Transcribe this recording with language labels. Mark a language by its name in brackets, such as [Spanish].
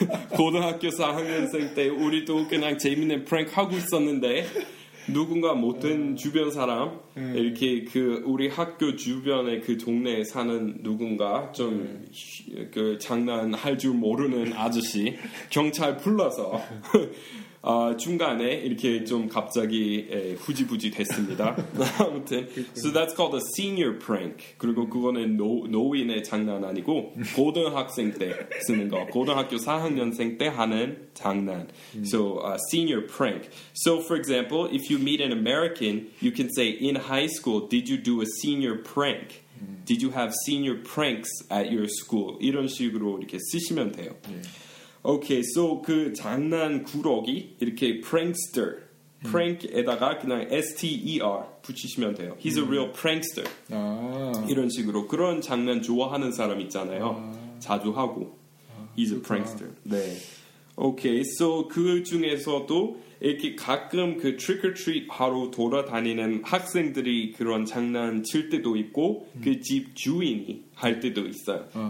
[Korean] 고등학교 4학년생 때 우리도 그냥 재밌는 프랭크 하고 있었는데 누군가 못된 주변 사람 이렇게 그 우리 학교 주변에 그 동네에 사는 누군가 좀 그 장난할 줄 모르는 아저씨 경찰 불러서 중간에 이렇게 좀 갑자기 후지부지 됐습니다. 아무튼, [English] so that's called a senior prank. [Korean] 그리고 그거는 노인의 장난 아니고 고등학생 때 쓰는 거. 고등학교 4학년생 때 하는 장난. [English] So a senior prank. So for example, if you meet an American, you can say, in high school, did you do a senior prank? Did you have senior pranks at your school? [Korean] 이런 식으로 이렇게 쓰시면 돼요. Okay, so 그 장난 꾸러기 이렇게 prankster, prank에다가 그냥 S-T-E-R 붙이시면 돼요. [English] He's a real prankster. [Korean] 아. 이런 식으로 그런 장난 좋아하는 사람 있잖아요. 아. 자주 하고. 아, He's 그렇구나. a prankster. 네. Okay, so 그 중에서도 이렇게 가끔 그 trick or treat 하러 돌아다니는 학생들이 그런 장난 칠 때도 있고 그 집 주인이 할 때도 있어요. 어.